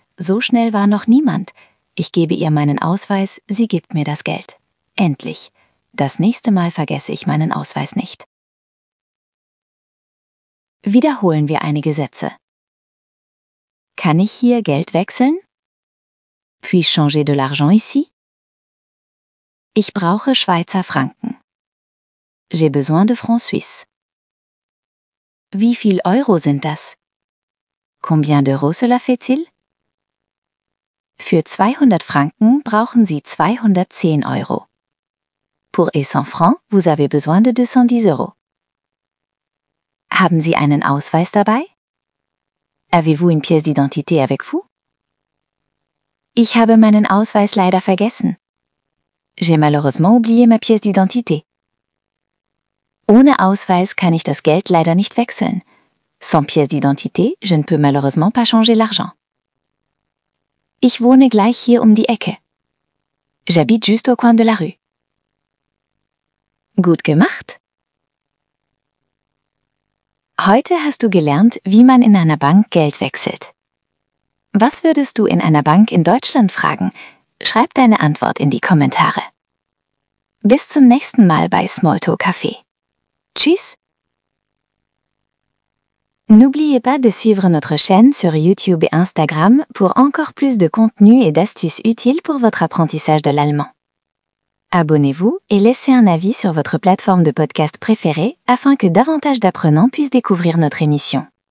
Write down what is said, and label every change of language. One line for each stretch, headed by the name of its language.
German: So schnell war noch niemand. Ich gebe ihr meinen Ausweis, sie gibt mir das Geld. Endlich. Das nächste Mal vergesse ich meinen Ausweis nicht. Wiederholen wir einige Sätze. Kann ich hier Geld wechseln?
French: Puis-je changer de l'argent ici?
German: Ich brauche Schweizer Franken.
French: J'ai besoin de francs suisses.
German: Wie viel Euro sind das?
French: Combien d'euros cela fait-il?
German: Für 200 Franken brauchen Sie 210 Euro.
French: Pour 100 francs, vous avez besoin de 210 euros.
German: Haben Sie einen Ausweis dabei?
French: Avez-vous une pièce d'identité avec vous?
German: Ich habe meinen Ausweis leider vergessen.
French: J'ai malheureusement oublié ma pièce d'identité.
German: Ohne Ausweis kann ich das Geld leider nicht wechseln.
French: Sans pièce d'identité, je ne peux malheureusement pas changer l'argent.
German: Ich wohne gleich hier um die Ecke.
French: J'habite juste au coin de la rue.
German: Gut gemacht! Heute hast du gelernt, wie man in einer Bank Geld wechselt. Was würdest du in einer Bank in Deutschland fragen? Schreib deine Antwort in die Kommentare. Bis zum nächsten Mal bei Smalltalk Café. Tschüss!
French: N'oubliez pas de suivre notre chaîne sur YouTube et Instagram pour encore plus de contenu et d'astuces utiles pour votre apprentissage de l'allemand. Abonnez-vous et laissez un avis sur votre plateforme de podcast préférée afin que davantage d'apprenants puissent découvrir notre émission.